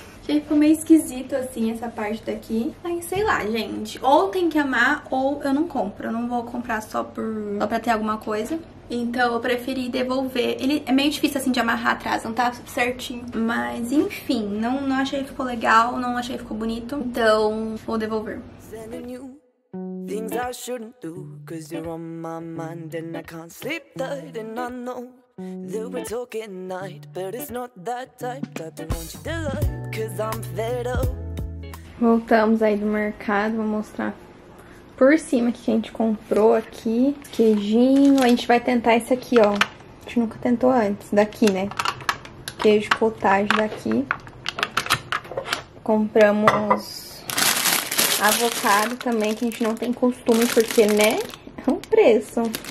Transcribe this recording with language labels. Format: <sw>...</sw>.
<pt>Achei que ficou meio esquisito assim essa parte daqui. Aí, sei lá, gente. Ou tem que amar ou eu não compro. Eu não vou comprar só pra ter alguma coisa. Então eu preferi devolver. Ele é meio difícil assim de amarrar atrás, não tá certinho. Mas enfim, não achei que ficou legal, não achei que ficou bonito. Então vou devolver.</pt> <en>Things I shouldn't do, cause you're on my mind and I can't sleep tight. And I know that we're talking night, but it's not that type. I don't want you to like, cause I'm fed up.</en> <pt>Voltamos aí do mercado, vou mostrar por cima que a gente comprou aqui. Queijinho, a gente vai tentar esse aqui, ó. A gente nunca tentou antes, daqui, né? Queijo cottage daqui. Compramos avocado também, que a gente não tem costume, porque, né, é um preço.</pt>